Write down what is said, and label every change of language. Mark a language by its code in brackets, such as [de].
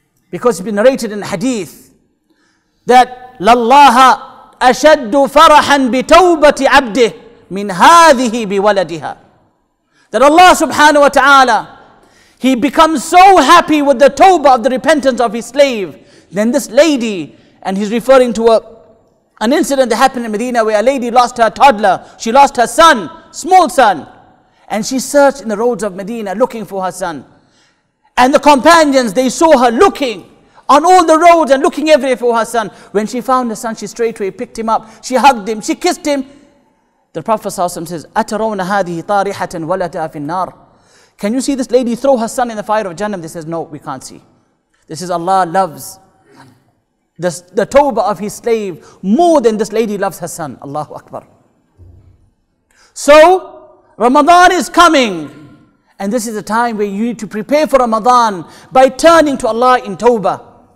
[en] Because it's been narrated in hadith that [ar] لَلَّهَ أَشَدُّ فَرَحًا بِتَوْبَةِ عَبْدِهِ مِنْ هَذِهِ بِوَلَدِهَا. [en] That Allah subhanahu wa ta'ala, he becomes so happy with the tawbah of the repentance of his slave. Then this lady, and he's referring to an incident that happened in Medina where a lady lost her toddler. She lost her son, small son. And she searched in the roads of Medina looking for her son. And the companions, they saw her looking on all the roads and looking everywhere for her son. When she found her son, she straightway picked him up. She hugged him. She kissed him. The Prophet says, [ar] أَتَرَوْنَ هَذِهِ طَارِحَةً وَلَدَهَا فِي النَّارِ. [en] Can you see this lady throw her son in the fire of Jannah? They says, no, we can't see. This is Allah loves the tawbah of his slave more than this lady loves her son. Allahu Akbar. So, Ramadan is coming. And this is a time where you need to prepare for Ramadan by turning to Allah in tawbah.